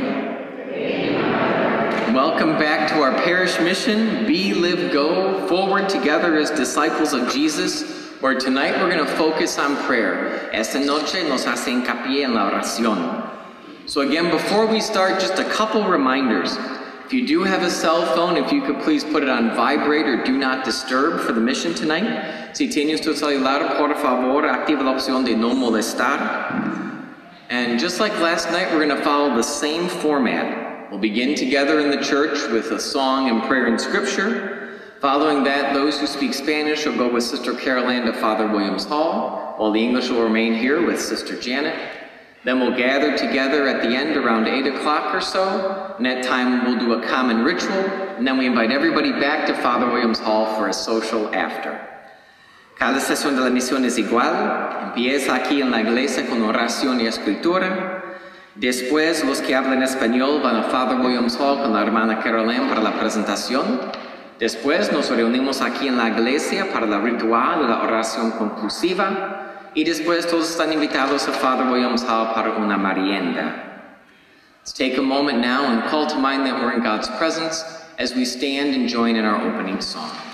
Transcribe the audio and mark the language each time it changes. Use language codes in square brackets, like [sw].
[en] Welcome back to our parish mission, Be, Live, Go, Forward Together as Disciples of Jesus, where tonight we're going to focus on prayer. [es] Esta noche nos hace hincapié en la oración. [en] So again, before we start, just a couple reminders. If you do have a cell phone, if you could please put it on vibrate or do not disturb for the mission tonight. [es] Si tienes tu celular, por favor, activa la opción de no molestar. [en] And just like last night, we're going to follow the same format. We'll begin together in the church with a song and prayer and scripture. Following that, those who speak Spanish will go with Sister Carol Ann to Father Williams Hall, while the English will remain here with Sister Janet. Then we'll gather together at the end around 8 o'clock or so, and that time we'll do a common ritual, and then we invite everybody back to Father Williams Hall for a social after. [es] Cada sesión de la misión es igual. Empieza aquí en la iglesia con oración y escritura. Después, los que hablan español van a Father Williams Hall con la hermana Carol Ann para la presentación. Después, nos reunimos aquí en la iglesia para la ritual de la oración conclusiva. Y después, todos están invitados a Father Williams Hall para una merienda. [en] Let's take a moment now and call to mind that we're in God's presence as we stand and join in our opening song.